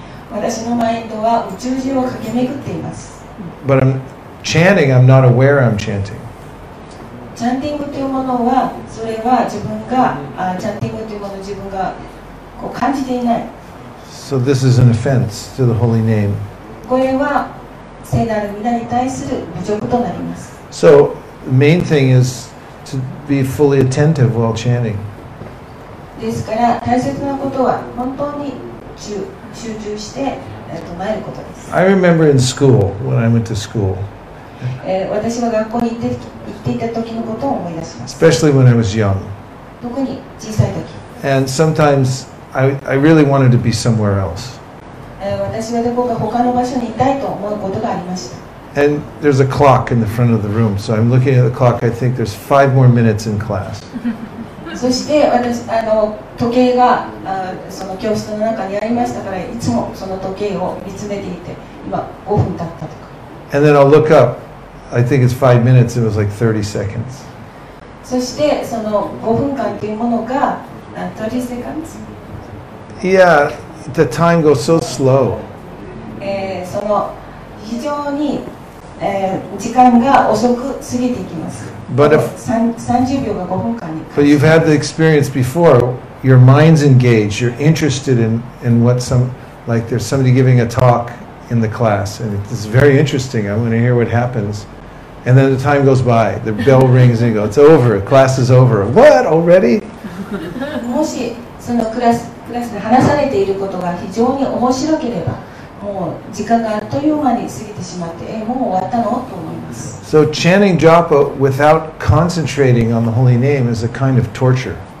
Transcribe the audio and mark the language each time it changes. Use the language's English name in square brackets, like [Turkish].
[English] But I'm. Chanting, I'm not aware I'm chanting. [Japanese] Chanting というものは、それは自分が、chanting というものを自分がこう感じていない。 [English] So this is an offense to the holy name. [Japanese] これは聖なる皆に対する侮辱となります。 [English] So the main thing is to be fully attentive while chanting. [Japanese] ですから大切なことは本当に集中して唱えることです。 [English] I remember in school, when I went to school, [Japanese] 私は学校に行っていた時のことを思い出します。 [English] Especially when I was young. [Japanese] 特に小さい時。 [English] And sometimes I really wanted to be somewhere else. [Japanese] 私はどこか他の場所にいたいと思うことがありました。 [English] And there's a clock in the front of the room, so I'm looking at the clock. I think there's 5 more minutes in class. [Japanese] そして私あの時計がその教室の中にありましたからいつもその時計を見つめていて今5分経ったとか。 [English] And then I'll look up. I think it's 5 minutes. It was like 30 seconds. [Japanese] そしてその5分間というものが [English] 30 seconds? Yeah, the time goes so slow. [Japanese] その非常に時間が遅く過ぎていきます。 [English] But if [Japanese] 30秒が5分間に。 [English] But you've had the experience before. Your mind's engaged. You're interested in what some like there's somebody giving a talk in the class, and it's very interesting. I want to hear what happens, and then the time goes by. The bell rings and you go, it's over. Class is over. What already? [Japanese] もしそのクラスで話されていることが非常に面白ければ。 [English] So chanting japa without concentrating on the holy name is a kind of torture.